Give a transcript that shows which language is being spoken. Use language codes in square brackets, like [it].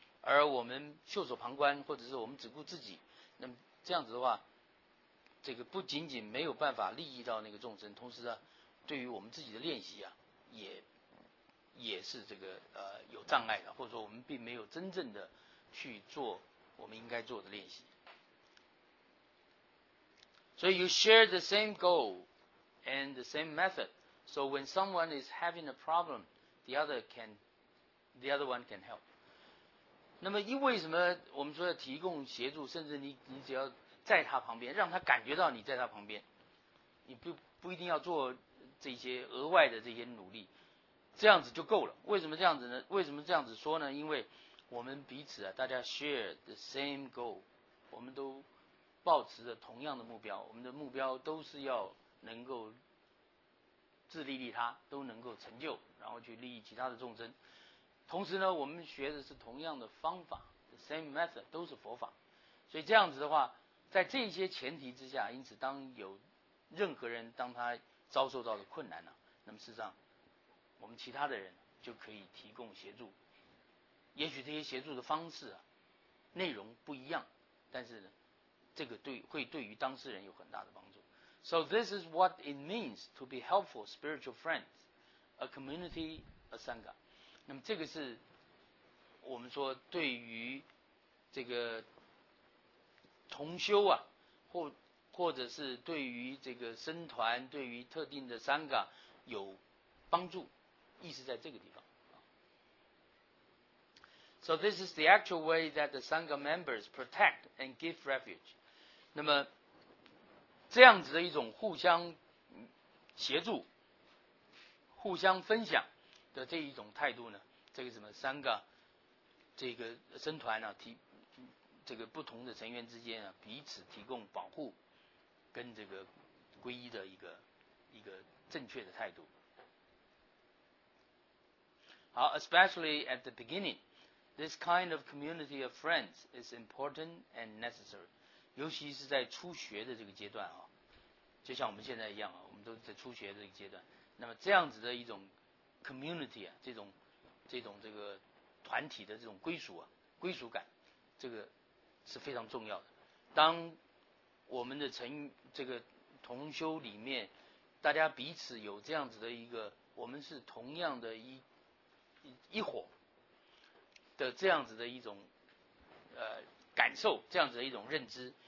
[zh] 而我们袖手旁观，或者是我们只顾自己，那么这样子的话，这个不仅仅没有办法利益到那个众生，同时呢，对于我们自己的练习啊，也是这个有障碍的，或者说我们并没有真正的去做我们应该做的练习。 [en] So you share the same goal and the same method. So when someone is having a problem, the other one can help. [zh] 那么因为什么我们说要提供协助，甚至你只要在他旁边，让他感觉到你在他旁边，你不一定要做这些额外的这些努力，这样子就够了。为什么这样子呢？为什么这样子说呢？因为我们彼此啊，大家 [en] share the same goal， [zh] 我们都抱持着同样的目标，我们的目标都是要能够自利利他，都能够成就，然后去利益其他的众生。同时呢，我们学的是同样的方法， [en] the same method， [zh] 都是佛法。所以这样子的话，在这些前提之下，因此当有任何人当他遭受到的困难呢、啊，那么事实上，我们其他的人就可以提供协助。也许这些协助的方式啊，内容不一样，但是呢，这个会对于当事人有很大的帮助。 [en] So this is what it means to be helpful spiritual friends, a community, a sangha. [zh] 那么这个是我们说对于这个同修啊，或者是对于这个僧团，对于特定的sangha有帮助，意思在这个地方。 [en] So this is the actual way that the sangha members protect and give refuge. [zh] 那么这样子的一种互相协助、互相分享的这一种态度呢，这个什么sangha这个僧团啊，这个不同的成员之间啊，彼此提供保护跟这个皈依的一个正确的态度。 [en] 好， especially at the beginning, this kind of community of friends is important and necessary. [zh] 尤其是在初学的这个阶段啊，就像我们现在一样啊，我们都在初学的这个阶段。那么这样子的一种 community 啊，这种这个团体的这种归属啊，归属感，这个是非常重要的。当我们的这个同修里面，大家彼此有这样子的一个，我们是同样的一伙的这样子的一种感受，这样子的一种认知。